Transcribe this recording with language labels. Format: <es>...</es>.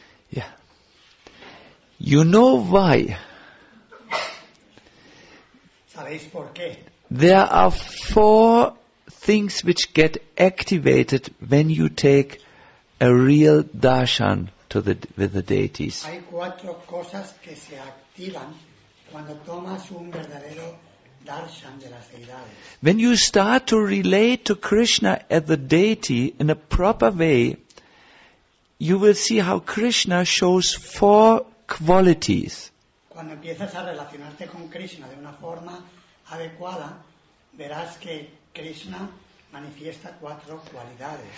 <en>Yeah. You know why?</en> <es>¿Sabéis por qué?</es> <en>There are four things which get activated when you take a real darshan to the with the deities.</en> <es>Hay cuatro cosas que se activan cuando tomas un verdadero darshan de las deidades.</es> <en>When you start to relate to Krishna as the deity in a proper way, you will see how Krishna shows four qualities.</en> <es>Cuando empiezas a relacionarte con Krishna de una forma adecuada, verás que Krishna manifiesta cuatro cualidades.</es>